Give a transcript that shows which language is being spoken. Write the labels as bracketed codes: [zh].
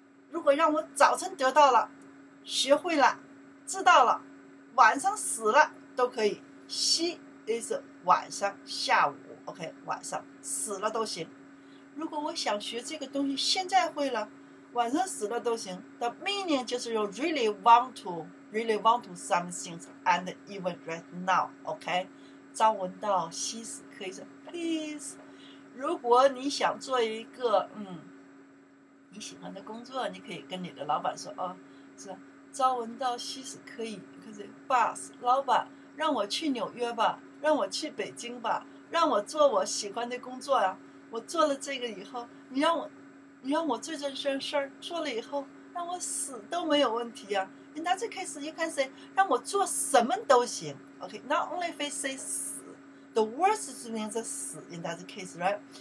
[zh] 如果让我早晨得到了，学会了，知道了，晚上死了都可以。夕 is 晚上，下午。OK， 晚上死了都行。如果我想学这个东西，现在会了。晚上死了都行。 [en] The meaning 就是 you really want to something and even right now, OK? [zh] 朝闻道，夕死可以说 please. 如果你想做一个你喜欢的工作，你可以跟你的老板说哦，是朝闻道，夕死可以。可是 boss 老板，让我去纽约吧，让我去北京吧，让我做我喜欢的工作啊。我做了这个以后，你让我做这件事儿，做了以后让我死都没有问题啊。 [en] In that case, you can say [zh] 让我做什么都行。 [en] Okay, not only if we say 死 ，the worst means 死 in that case, right?